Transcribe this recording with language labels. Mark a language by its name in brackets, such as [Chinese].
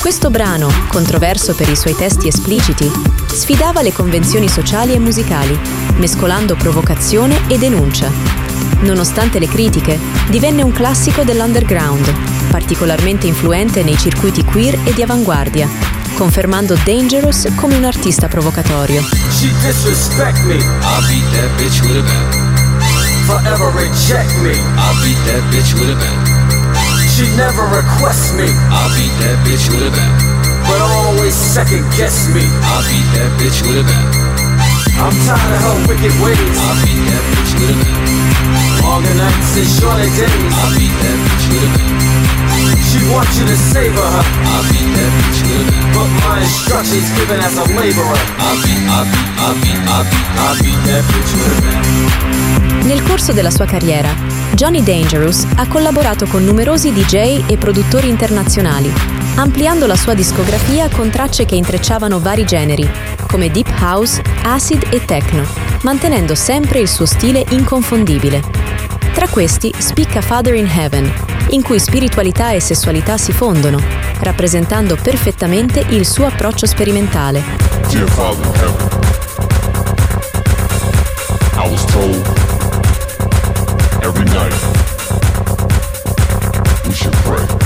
[Italian] Questo brano, controverso per i suoi testi espliciti, sfidava le convenzioni sociali e musicali, mescolando provocazione e denuncia. Nonostante le critiche, divenne un classico dell'underground, particolarmente influente nei circuiti queer e di avanguardia, confermando Dangerous come un artista provocatorio. [English] She disrespect me, I beat that bitch with a bat. Forever reject me, I beat that bitch with a bat. She never requests me, I beat that bitch with a bat. But always second guess me, I beat that bitch with a bat. I'm tired of her wicked ways, I beat that bitch with a bat. Longer nights and shorter days, I beat that bitch with a bat. She wants you to save her, I beat that bitch with a bat. But my instructions given as a laborer, I beat that bitch with a bat. [Italian] Nel corso della sua carriera, Johnny Dangerous ha collaborato con numerosi DJ e produttori internazionali, ampliando la sua discografia con tracce che intrecciavano vari generi, come deep house, acid e techno, mantenendo sempre il suo stile inconfondibile. Tra questi spicca Father in Heaven, in cui spiritualità e sessualità si fondono, rappresentando perfettamente il suo approccio sperimentale. [English] Dear Father in Heaven, I was told every night we should pray.